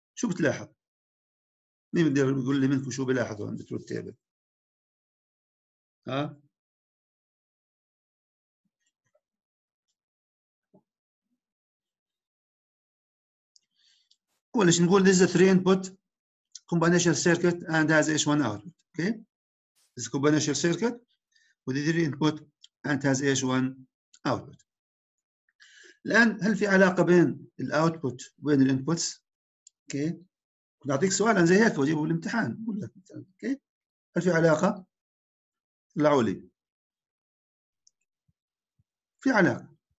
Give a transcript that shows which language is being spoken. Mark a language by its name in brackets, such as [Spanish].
[Arabic] شو بتلاحظ؟ مين بيقدر يقول لي منكم شو بلاحظوا عند التروث تيبل؟ اول شيء نقول [English] this is a three input combinational circuit and has [Arabic] ايش؟ [English] one output. Okay this is a combinational circuit with three input and has [Arabic] ايش؟ [English] one output. [Arabic] الان هل في علاقه بين الاوتبوت وبين الانبوتس؟ اوكي كنت اعطيك سؤال زي هيك واجيبه بالامتحان، اقول لك اوكي هل في علاقه؟ طلعوا لي في علاقه.